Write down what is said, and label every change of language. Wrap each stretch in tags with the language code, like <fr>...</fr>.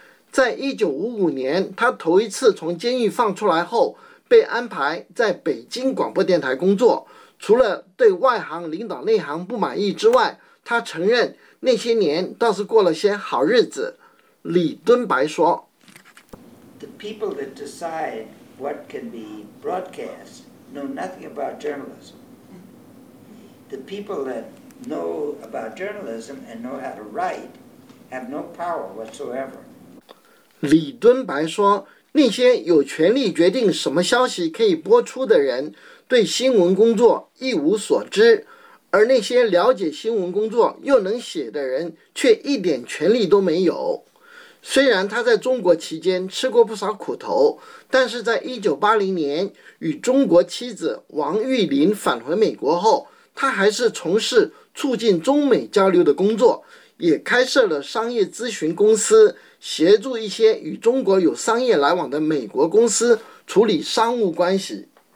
<zh>在1955年，他头一次从监狱放出来后，被安排在北京广播电台工作。除了对外行领导内行不满意之外，他承认那些年倒是过了些好日子。李敦白说</zh> <en>：“The people that decide what can be broadcast know nothing about journalism.” The people that know about journalism and know how to write have no power whatsoever.</en> <zh>李敦白说，那些有权利决定什么消息可以播出的人对新闻工作一无所知，而那些了解新闻工作又能写的人却一点权利都没有。虽然他在中国期间吃过不少苦头，但是在1980年与中国妻子王玉林返回美国后，他还是从事促进中美交流的工作，也开设了商业咨询公司，协助一些与中国有商业来往的美国公司处理商务关系。</zh>